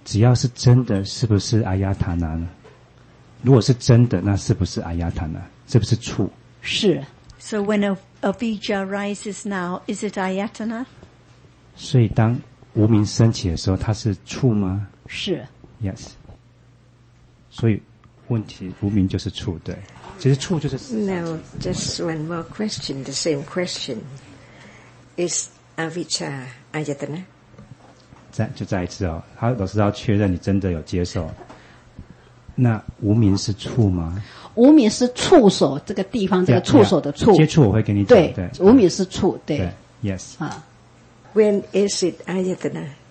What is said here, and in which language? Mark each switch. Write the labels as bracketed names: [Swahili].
[Chinese] 只要是真的，是不是 ayatana 呢？如果是真的，那是不是 ayatana？ 是不是处？是。 [English] So when a vijja rises now, is it ayatana? [Chinese] 所以当无名升起的时候，它是处吗？是。 [English] Yes. [Chinese] 所以问题，无名就是处，对。其实处就是。 [English] No, just one more question, the same question. Is avijja ayatana? [Chinese] 再一次哦，他老师要确认你真的有接受。那无明是处吗？无明是处所这个地方，这个处所的处。接触我会跟你讲。对对，无明是处，对。 [English] Yes. When is it ayatana?